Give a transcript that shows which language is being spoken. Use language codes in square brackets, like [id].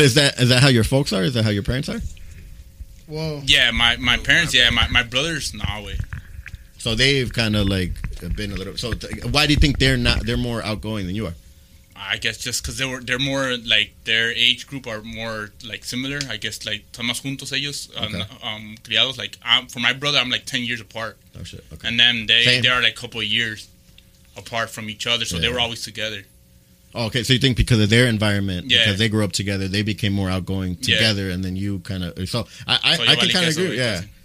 [en] is that how your folks are? Is that how your parents are? Whoa. Yeah, my parents. My brothers, Nahway. So they've kind of like been a little. So why do you think they're more outgoing than you are? I guess just because they're more like their age group are more like similar. I guess like [es] son más juntos ellos, criados. [en] Like for my brother, I'm like 10 years apart. Oh shit. Okay. And then they are like a couple of years. Apart from each other, so they were always together. Oh, okay, so you think because of their environment, because they grew up together, they became more outgoing together, and then you kind of. So I can kind of agree. Yeah,